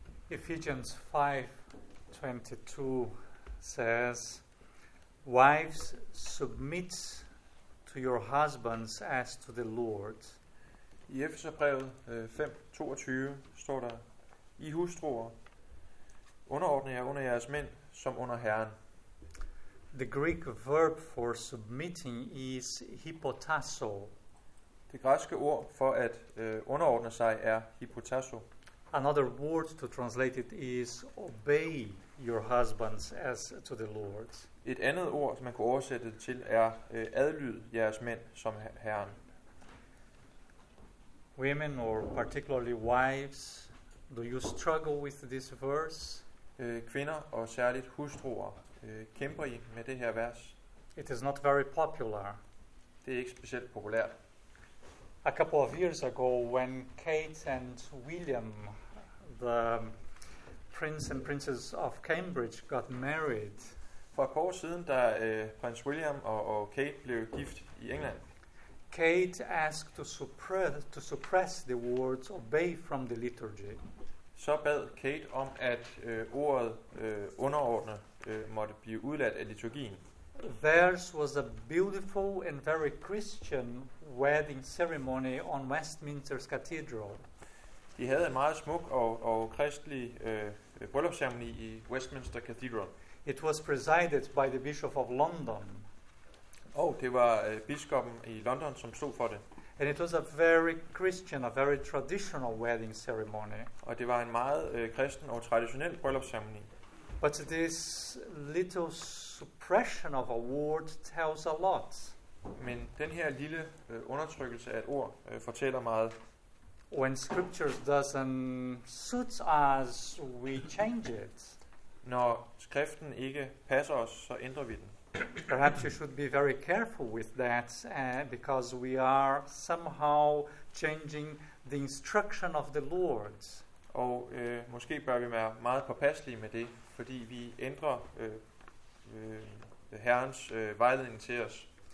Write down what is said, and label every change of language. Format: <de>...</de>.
<en>Ephesians 5:22 says, "Wives, submit to your husbands as to the Lord."</en> <da>I Efeserbrevet 5:22 står der, "I hustruer, underordne jer under jeres mænd som under Herren."</da> <en>The Greek verb for submitting is hypotasso.</en> <da>Det græske ord for at underordne sig er hypotasso.</da> <en>Another word to translate it is obey your husbands as to the Lord.</en> <da>Et andet ord, man kan oversætte det til, er adlyd jeres mænd som Herren.</da> <en>Women, or particularly wives, do you struggle with this verse?</en> <da>Kvinder og særligt hustruer, kæmper I med det her vers?</da> <en>It is not very popular.</en> <da>Det er ikke specielt populært.</da> <en>A couple of years ago, when Kate and William, the prince and princess of Cambridge, got married.</en> <da>For et par år siden, da prins William og Kate blev gift i England.</da> <en>Kate asked to suppress the words obey from the liturgy.</en> <da>Så bad Kate om, at ordet underordne måtte blive udladt af liturgien.</da> <en>Theirs was a beautiful and very Christian wedding ceremony on Westminster's Cathedral.</en> <da>De havde en meget smuk og kristelig bryllupsceremoni i Westminster Cathedral.</da> <en>It was presided by the Bishop of London.</en> <da>Oh, det var biskoppen i London, som stod for det.</da> <en>And it was a very Christian, a very traditional wedding ceremony.</en> <da>Og det var en meget kristen og traditionel bryllupsceremoni.</da> <en>But this little suppression of a word tells a lot.</en> <da>Men den her lille undertrykkelse af et ord fortæller meget.</da> <en>When scriptures doesn't suit us, we change it.</en> <da>Når skriften ikke passer os, så ændrer vi den.</da> <en>Perhaps you should be very careful with that, because we are somehow changing the instruction of the Lord.</en> <da>Og måske bør vi være meget påpasselige med det, fordi vi ændrer Herrens vejledning til os.</da>